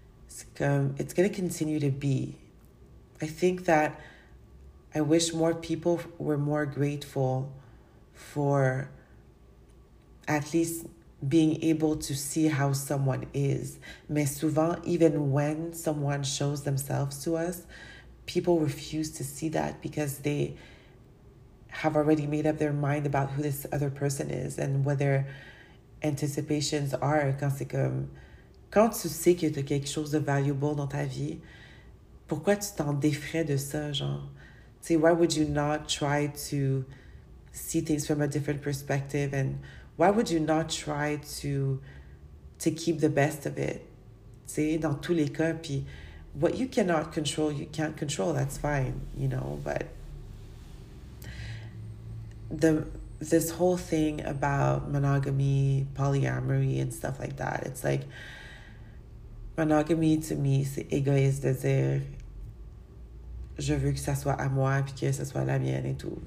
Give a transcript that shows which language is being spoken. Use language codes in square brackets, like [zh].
[en] It's going to continue to be. I think that I wish more people were more grateful for at least being able to see how someone is. Mais souvent, even when someone shows themselves to us, people refuse to see that because they have already made up their mind about who this other person is and what their anticipations are. [fr] Quand c'est comme, quand tu sais que tu as quelque chose de valuable dans ta vie, pourquoi tu t'en défrais de ça, genre? [en] See, why would you not try to see things from a different perspective? And why would you not try to keep the best of it? See, [fr] dans tous les cas, puis [en] what you cannot control, you can't control. That's fine, you know. But this whole thing about monogamy, polyamory, and stuff like that, it's like monogamy to me, [fr] c'est égoïste de dire, je veux que ça soit à moi puis que ça soit la mienne et tout.